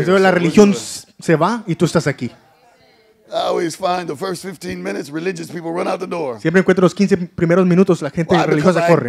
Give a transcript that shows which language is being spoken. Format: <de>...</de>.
<es>Entonces la religión se va y tú estás aquí.</es> <en>I always find the first 15 minutes religious people run out the door.</en> <es>Siempre encuentro los 15 primeros minutos la gente religiosa corre.</es>